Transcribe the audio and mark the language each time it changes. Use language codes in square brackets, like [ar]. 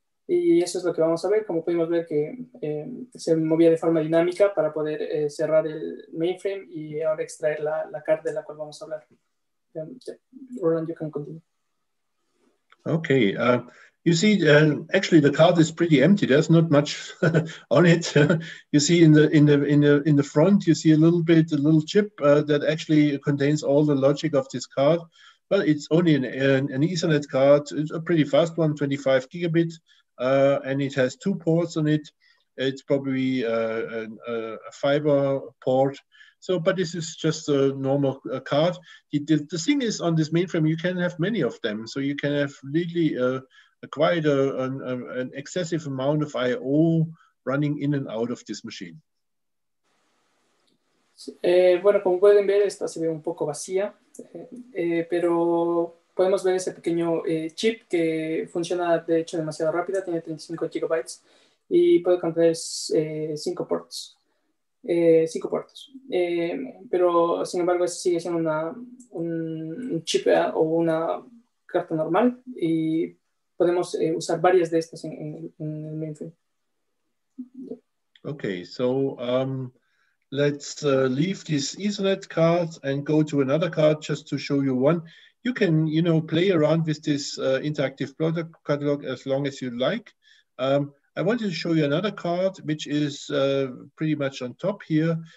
[es] Y eso es lo que vamos a ver, como pudimos ver que se movía de forma dinámica para poder cerrar el mainframe y ahora extraer la carta de la cual vamos a hablar. [en] Roland, you can continue. Okay. You see, actually the card is pretty empty. There's not much on it. You see in the front, you see a little chip that actually contains all the logic of this card. But it's only an Ethernet card. It's a pretty fast one, 25 gigabit, and it has two ports on it. It's probably a fiber port. So, but this is just a normal card. The thing is, on this mainframe, you can have many of them. So you can have really an excessive amount of I/O running in and out of this machine. [es] Bueno, como pueden ver, esta se ve un poco vacía, pero podemos ver ese pequeño chip que funciona de hecho demasiado rápido, tiene 35 gigabytes y puede contener 5 ports. Pero sin embargo, sigue siendo un chip o una carta normal y podemos usar varias de estas en el mainframe. [en] Okay, so let's leave this Ethernet card and go to another card just to show you one. You can, you know, play around with this interactive product catalog as long as you like. I wanted to show you another card, which is pretty much on top here.